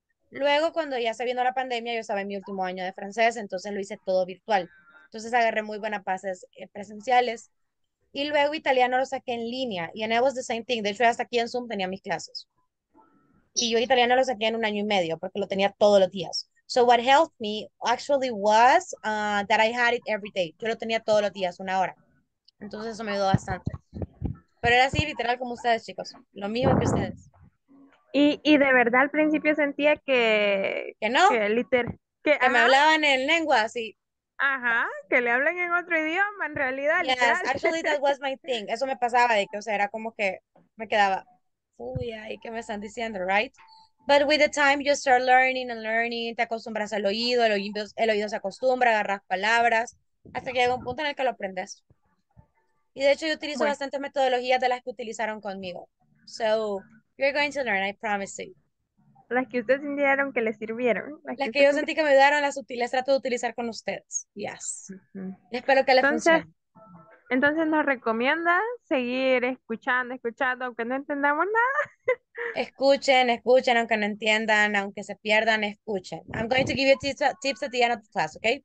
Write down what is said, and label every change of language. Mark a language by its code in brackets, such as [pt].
[es] Luego, cuando ya se vino la pandemia, yo estaba en mi último año de francés, entonces lo hice todo virtual. Entonces agarré muy buenas bases presenciales. Y luego italiano lo saqué en línea. Y en [en] it was the same thing. [es] De hecho, hasta aquí en Zoom tenía mis clases. Y yo italiano lo saqué en 1 año y medio porque lo tenía todos los días. [en] So what helped me actually was that I had it every day. [es] Yo lo tenía todos los días, 1 hora. Entonces eso me ayudó bastante. Pero era así, literal, como ustedes, chicos. Lo mismo que ustedes. Y de verdad al principio sentía que... ¿Que no? Que, que me hablaban en lengua, así... Ajá, que le hablen en otro idioma, en realidad. [en] Yes, literal. Actually that was my thing. [es] Eso me pasaba, de que, o sea, era como que me quedaba, uy, ay, ¿qué me están diciendo, right? [en] But with the time you start learning and learning, [es] te acostumbras al oído, el oído se acostumbra, agarras palabras, hasta que llega un punto en el que lo aprendes. Y de hecho yo utilizo bastantes metodologías de las que utilizaron conmigo. [en] So, you're going to learn, I promise you. [es] Las que ustedes sintieron que les sirvieron. Las que yo sentí que me ayudaron, las sutiles trato de utilizar con ustedes. Yes. Uh-huh. Espero que les funcione. Entonces, ¿nos recomienda seguir escuchando, aunque no entendamos nada? Escuchen, aunque no entiendan, aunque se pierdan, escuchen. [en] I'm going to give you tips at the end of the class, okay?